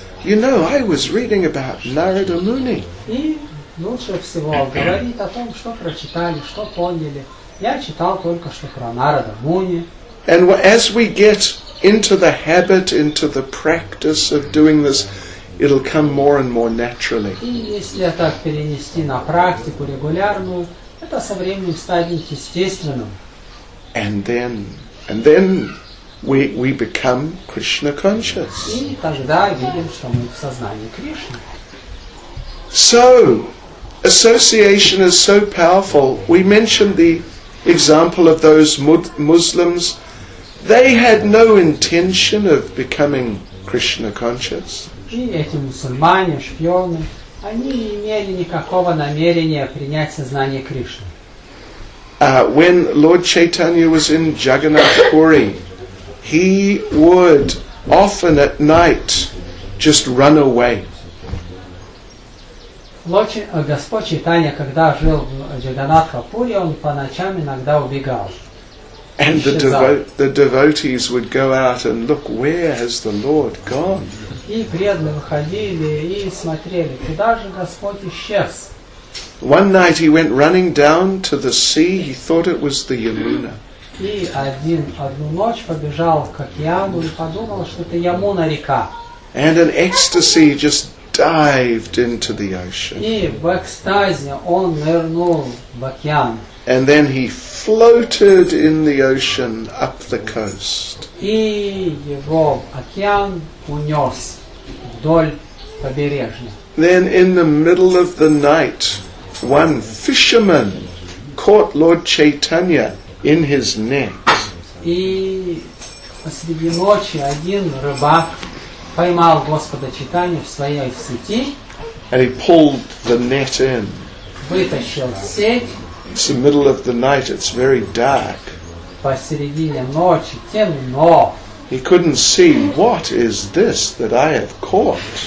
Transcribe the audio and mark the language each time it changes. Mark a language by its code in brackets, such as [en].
[en] You know, I was reading about Narada Muni. [ru] И лучше всего говорить о том, что прочитали, что поняли. Я читал только что про Нарада Муни. [en] And as we get into the habit, into the practice of doing this, it'll come more and more naturally. [ru] И если это перенести на практику регулярную, это со временем станет естественным. [en] And then we become Krishna conscious. [ru] И тогда видим, что мы в сознании Кришны. [en] So, association is so powerful. We mentioned the example of those Muslims. They had no intention of becoming Krishna conscious. [ru] И эти мусульмане, шпионы, они не имели никакого намерения принять сознание Кришны. [en] When Lord Chaitanya was in Jagannath Puri, he would often at night just run away. [ru] Господь Чайтанья, когда жил в Джаганнатхапуре, он по ночам иногда убегал. [en] And the devotees would go out and look, where has the Lord gone? [ru] И преданные выходили и смотрели, куда же Господь исчез? [en] One night he went running down to the sea. He thought it was the Yamuna. [ru] И одну ночь побежал к океану и подумал, что это Ямуна река. [en] And an ecstasy just dived into the ocean. [ru] И в экстазе он нырнул в океан. [en] And then he floated in the ocean up the coast. [ru] И его океан унес вдоль побережья. [en] Then in the middle of the night, one fisherman caught Lord Chaitanya in his net. [ru] И посреди ночи один рыбак поймал Господа Чайтанью в своей сети. [en] And he pulled the net in. [ru] Вытащил сеть. [en] It's the middle of the night, it's very dark. [ru] Посередине ночи, темно. [en] He couldn't see, what is this that I have caught?